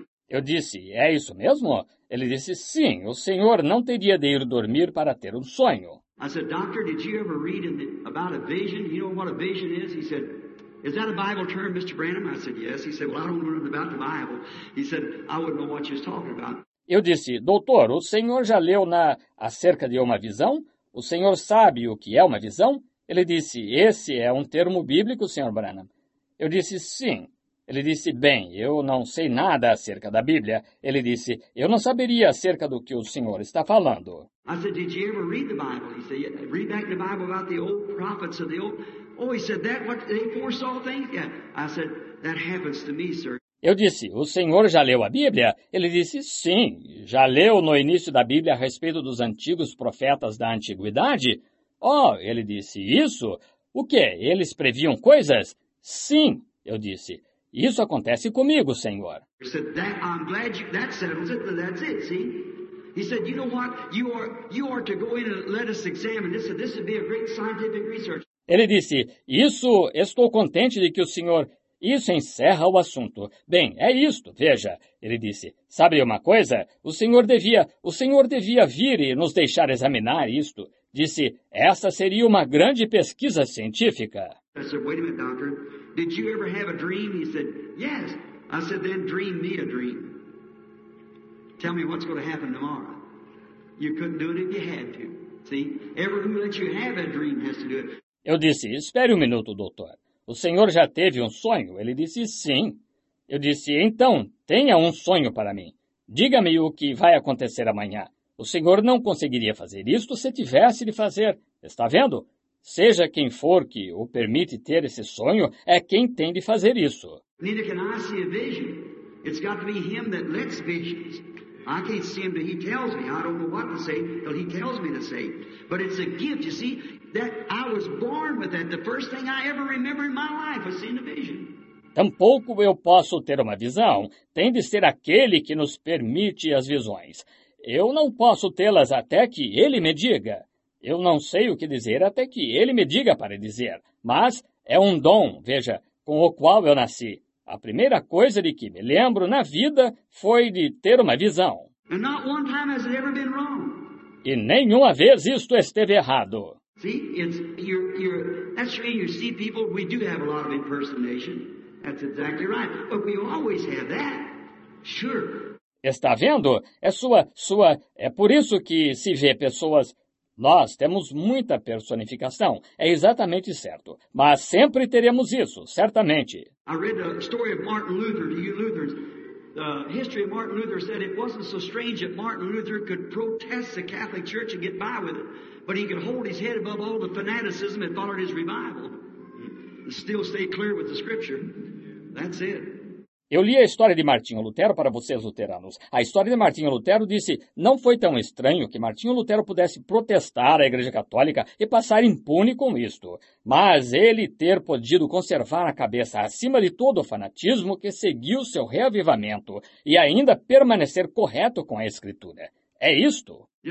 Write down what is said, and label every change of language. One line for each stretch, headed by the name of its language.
Portuguese: Eu disse, é isso mesmo? Ele disse, sim, o senhor não teria de ir dormir para ter um sonho.
English: I said, doctor, did you ever read about a vision? You know what a vision is? He said, is that a Bible term, Mr. Branham? I said, yes. He said, well, I don't know about the Bible. He said, I wouldn't know what you're talking about.
Portuguese: Eu disse, doutor, o senhor já leu na Acerca de uma Visão? O senhor sabe o que é uma visão? Ele disse, esse é um termo bíblico, senhor Branham. Eu disse, sim. Ele disse, bem, eu não sei nada acerca da Bíblia. Ele disse, eu não saberia acerca do que o senhor está falando.
English: I said, did you ever read the Bible? He said, yeah, read back the Bible about the old prophets of the old... Oh, he said, that what they foresaw things? Yeah. I said, that happens to me, sir.
Portuguese: Eu disse, o senhor já leu a Bíblia? Ele disse, sim, já leu no início da Bíblia a respeito dos antigos profetas da antiguidade? Oh, ele disse, isso? O quê? Eles previam coisas? Sim, eu disse, isso acontece comigo, senhor.
English: He said, that, I'm glad you, that settles it, that's it, see? He said, you know what, you are to go in and let us examine this, this would be a great scientific research.
Portuguese: Ele disse, isso, estou contente de que o senhor... Isso encerra o assunto. Bem, é isto, veja. Ele disse, sabe uma coisa? O senhor devia vir e nos deixar examinar isto. Disse, essa seria uma grande pesquisa científica.
English: I said, wait a minute, doctor. Did you ever have a dream? He said, yes. I said, then dream me a dream. Tell me what's going to happen tomorrow. You couldn't do it if you had to. See? Everyone that you have a dream has to do it.
Portuguese: Eu disse, espere um minuto, doutor. O senhor já teve um sonho? Ele disse, sim. Eu disse, então, tenha um sonho para mim. Diga-me o que vai acontecer amanhã. O senhor não conseguiria fazer isto se tivesse de fazer. Está vendo? Seja quem for que o permite ter esse sonho, é quem tem de fazer isso.
English: Neither can I see a vision. It's got to be him that lets visions. I can't see him, but he tells me. I don't know what to say, but he tells me to say. But it's a gift, you see, that I was born with that. The first thing I ever remember in my life was seeing a vision.
Portuguese: Tampouco eu posso ter uma visão. Tem de ser aquele que nos permite as visões. Eu não posso tê-las até que ele me diga. Eu não sei o que dizer até que ele me diga para dizer. Mas é um dom, veja, com o qual eu nasci. A primeira coisa de que me lembro na vida foi de ter uma visão.
English: And not one time has it ever been wrong.
Portuguese: E nenhuma vez isto esteve errado.
English: See, it's you're that's true. You see, people, we do have a lot of impersonation. That's exactly right. But we always have that. Sure.
Portuguese: Está vendo? É sua. É por isso que se vê pessoas. Nós temos muita personificação, é exatamente certo. Mas sempre teremos isso, certamente.
English: I read the story of Martin Luther to you Lutherans. The history of Martin Luther said it wasn't so strange that Martin Luther could protest the Catholic Church and get by with it, but he could hold his head above all the fanaticism that followed his revival and still stay clear with the scripture. That's it.
Portuguese: Eu li a história de Martinho Lutero para vocês, luteranos. A história de Martinho Lutero disse, não foi tão estranho que Martinho Lutero pudesse protestar a Igreja Católica e passar impune com isto. Mas ele ter podido conservar a cabeça acima de todo o fanatismo que seguiu seu reavivamento e ainda permanecer correto com a Escritura. É isto.